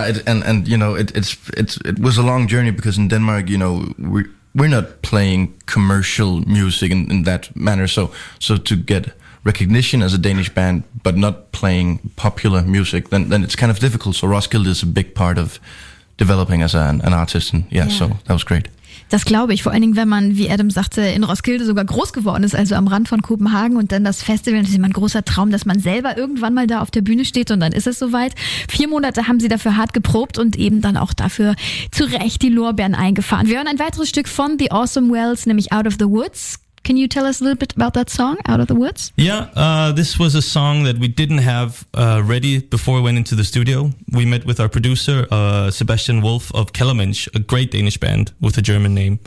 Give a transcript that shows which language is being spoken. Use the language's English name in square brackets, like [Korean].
[English] It was a long journey because in Denmark, we're not playing commercial music in that manner. So to get recognition as a Danish band, but not playing popular music, then it's kind of difficult. So Roskilde is a big part of developing as an artist. And yeah, so that was great. [German] Das glaube ich. Vor allen Dingen, wenn man, wie Adam sagte, in Roskilde sogar groß geworden ist, also am Rand von Kopenhagen, und dann das Festival, das ist immer ein großer Traum, dass man selber irgendwann mal da auf der Bühne steht, und dann ist es soweit. 4 Monate haben sie dafür hart geprobt und eben dann auch dafür zu Recht die Lorbeeren eingefahren. Wir hören ein weiteres Stück von The Awesome Wells, nämlich Out of the Woods. [English] Can you tell us a little bit about that song, Out of the Woods? Yeah, this was a song that we didn't have ready before we went into the studio. We met with our producer, Sebastian Wolf of Kellermensch, a great Danish band with a German name.